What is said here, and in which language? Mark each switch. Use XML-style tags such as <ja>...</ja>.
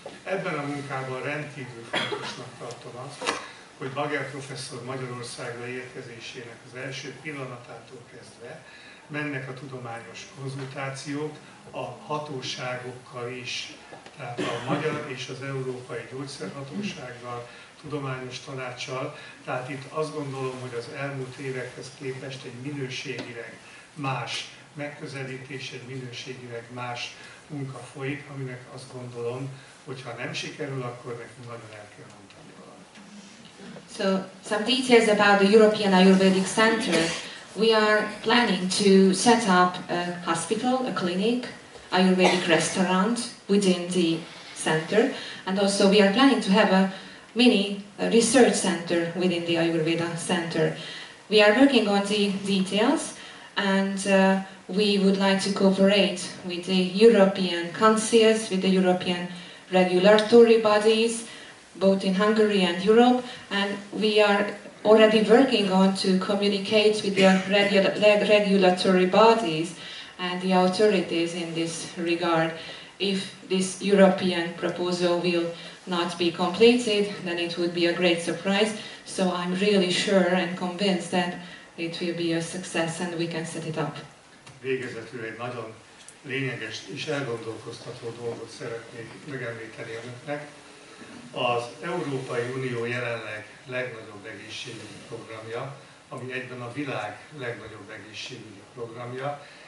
<hu>Ebben a munkában rendkívül fontosnak tartom azt, hogy Baghel professzor Magyarországra érkezésének az első pillanatától kezdve mennek a tudományos konzultációk a hatóságokkal is, tehát a magyar és az európai gyógyszerhatósággal, tudományos tanáccsal. Tehát itt azt gondolom, hogy az elmúlt évekhez képest egy minőségileg más megközelítés, egy minőségileg más munka folyik, aminek azt gondolom, hogyha nem sikerül, akkor nekünk nagyon el kell mondani valamit.</hu> <en>So, some details about the European Ayurvedic Center. We are planning to set up a hospital, a clinic, Ayurvedic restaurant within the center, and also we are planning to have a mini research center within the Ayurveda Center. We are working on the details, and we would like to cooperate with the European councils, with the European regulatory bodies, both in Hungary and Europe, and we are already working on to communicate with the regulatory bodies and the authorities in this regard. If this European proposal will not be completed, then it would be a great surprise. So I'm really sure and convinced that it will be a success and we can set it up.</en> <hu>Végezetül egy nagyon lényeges és elgondolkoztató dolgot szeretnék megemlíteni önöknek. Az Európai Unió jelenleg legnagyobb egészségügyi programja, ami egyben a világ legnagyobb egészségügyi programja.</hu>